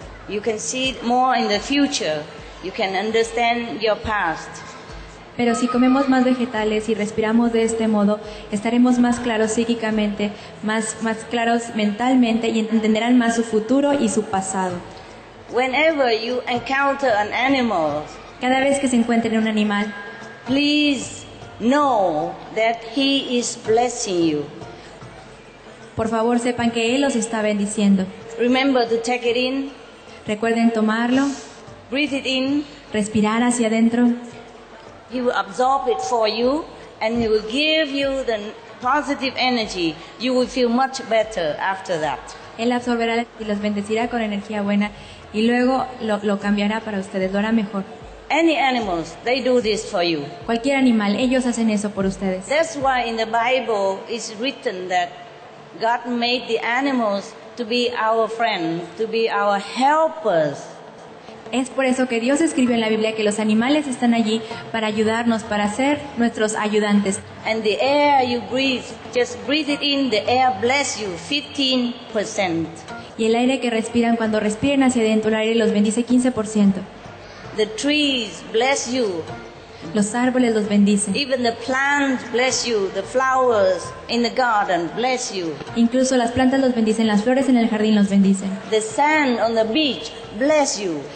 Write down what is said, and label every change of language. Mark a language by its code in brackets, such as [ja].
[en] You can see it more in the future. You can understand your past. [es] Pero si comemos más vegetales y respiramos de este modo, estaremos más claros psíquicamente, más claros mentalmente y entenderán más su futuro y su pasado. [en] Whenever you encounter an animal, [es] cada vez que se encuentren un animal, [en] please know that he is blessing you. [es] Por favor, sepan que él los está bendiciendo. [en] Remember to take it in. [es] Recuerden tomarlo. [en] Breathe it in. [es] Respirar hacia adentro. [en] He will absorb it for you and he will give you the positive energy. You will feel much better after that. [es] Él absorberá y los bendecirá con energía buena y luego lo cambiará para ustedes, lo hará mejor. [en] Any animals, they do this for you. [es] Cualquier animal, ellos hacen eso por ustedes. [en] That's why in the Bible it's written that God made the animals to be our friends, to be our helpers. [es] Es por eso que Dios escribió en la Biblia que los animales están allí para ayudarnos, para ser nuestros ayudantes. [en] And the air you breathe, just breathe it in, the air bless you 15%. [es] Y el aire que respiran, cuando respiren hacia adentro, el aire los bendice 15%. [en] The trees bless you. [es] Los árboles los bendicen. [en] Even the plants bless you, the flowers in the garden bless you. [es] Incluso las plantas los bendicen, las flores en el jardín los bendicen. [en] The sand on the beach bless you.